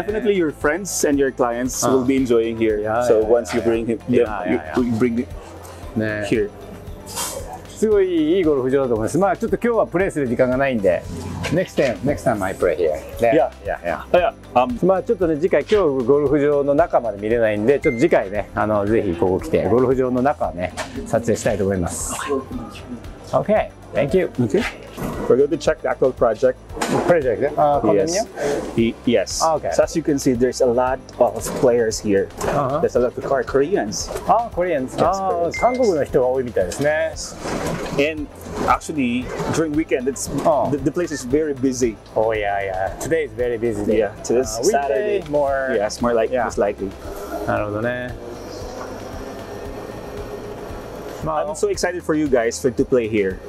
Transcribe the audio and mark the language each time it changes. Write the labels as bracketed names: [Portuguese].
[English] Definitely your friends and your clients will be enjoying here. So once you bring them here. [Japanese] すごいいいゴルフ場だと思います。まあちょっと今日はプレーする時間がないんで。 [English] Next time I play here. Yeah. [Japanese] まあちょっとね、次回、今日ゴルフ場の中まで見れないんで、ちょっと次回ね、ぜひここ来て、ゴルフ場の中をね、撮影したいと思います。 [English] Okay, thank you. Okay. We're going to check the actual project. Project, continue? Yes. Okay. So as you can see, there's a lot of players here. There's a lot of Koreans. Koreans. Yes, Koreans. [Japanese] 韓国の人が多いみたいですね。 [English] And actually, during weekend, the place is very busy. Today is very busy day. Yeah, today's Saturday. More likely. [Japanese] なるほどね。 [English] I'm so excited for you guys to play here.